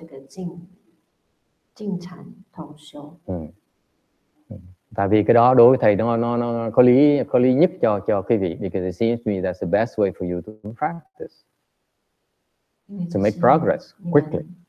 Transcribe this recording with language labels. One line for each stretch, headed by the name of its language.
Chinese: 所以我就因为我的师父叫我开始教，所以我就开始教了。所以我必须要想说我要怎么教呢？所以我就决定教这个静禅同修。
Vietnamese: Tại vì cái đó đối với thầy nó có lý nhất cho quý vị.
English: Because it seems to me that's the best way for you to practice to make progress quickly.